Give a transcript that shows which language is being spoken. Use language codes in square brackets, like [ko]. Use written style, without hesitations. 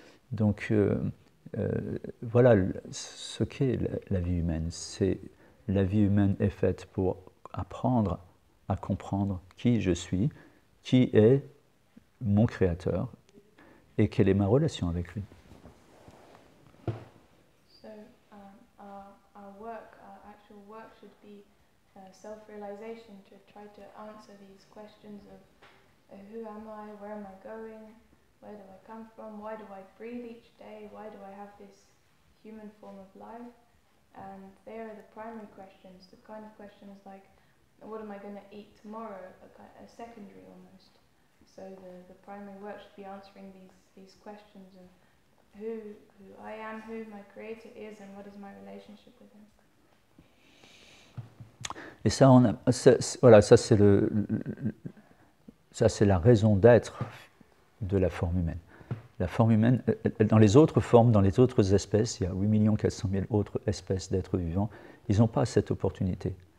[fr] Donc, voilà ce qu'est la vie humaine. La vie humaine est faite pour apprendre à comprendre qui je suis, qui est mon créateur et quelle est ma relation avec lui. [en] So, our work, our actual work should be self-realization, to try to answer these questions of who am I, where am I going, where do I come from, why do I breathe each day, why do I have this human form of life. And they are the primary questions, the kind of questions like, what am I going to eat tomorrow, a secondary almost. So the primary work should be answering these questions of who I am, who my creator is, and what is my relationship with him. [fr] Et ça, c'est la raison d'être de la forme humaine. La forme humaine, dans les autres formes, dans les autres espèces, il y a 8 400 000 autres espèces d'êtres vivants, ils n'ont pas cette opportunité.